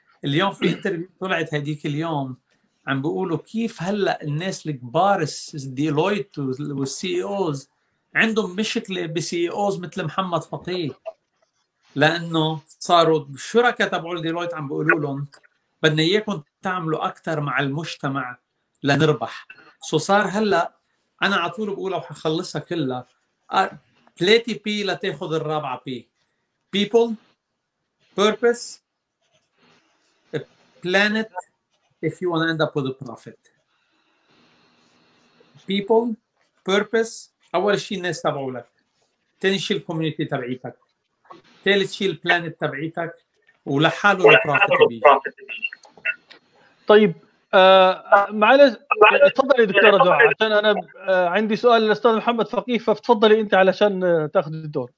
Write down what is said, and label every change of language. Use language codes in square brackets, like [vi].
[ar] اليوم في انترفيو طلعت هديك اليوم عم بيقولوا كيف هلأ الناس الكبار ديلويت والسي اي اوز عندهم مشكلة بسي اي اوز مثل محمد فطيه، لأنه صاروا شركة تبعوا ديلويت عم بيقولوا لهم بدنا إياكم تعملوا أكتر مع المجتمع لنربح. سو صار هلأ أنا عطول بقولها وحخلصها كلها 3P لتاخذ الرابعة P: [en] People, Purpose, Planet if you want to end up with a profit. [ar] People, purpose, أول شيء الناس تبعوا لك، تاني شيء الكوميونيتي تبعيتك، تالت شيء البلانت تبعيتك، ولحاله البروفيت. طيب معلش تفضلي دكتورة دعاء، عشان انا عندي سؤال للاستاذ محمد فقيه، فتفضلي انت علشان تاخذ الدور.